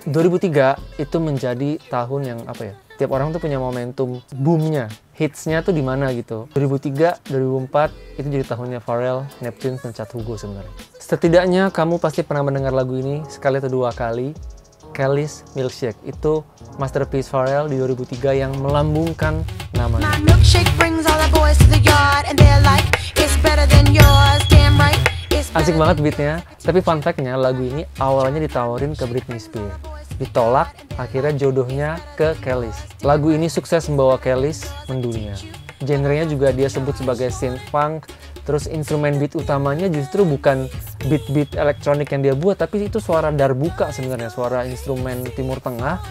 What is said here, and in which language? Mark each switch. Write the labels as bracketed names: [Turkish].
[Indonesian] 2003 itu menjadi tahun yang apa ya, tiap orang tuh punya momentum boom-nya, hits-nya tuh di mana gitu. 2003, 2004 itu jadi tahunnya Pharrell, Neptunes, dan Chatugo sebenarnya. Setidaknya kamu pasti pernah mendengar lagu ini sekali atau dua kali, Kelis Milkshake. Itu masterpiece Pharrell di 2003 yang melambungkan nama. [English] My milkshake brings all the boys to the yard and they're like, it's better than yours, damn right. [Indonesian] Asik banget beatnya, tapi fun fact-nya lagu ini awalnya ditawarin ke Britney Spears. Ditolak, akhirnya jodohnya ke Kelis. Lagu ini sukses membawa Kelis mendunia. Genrenya juga dia sebut sebagai synth-punk, terus instrumen beat utamanya justru bukan beat-beat elektronik yang dia buat, tapi itu suara darbuka sebenarnya, suara instrumen Timur Tengah.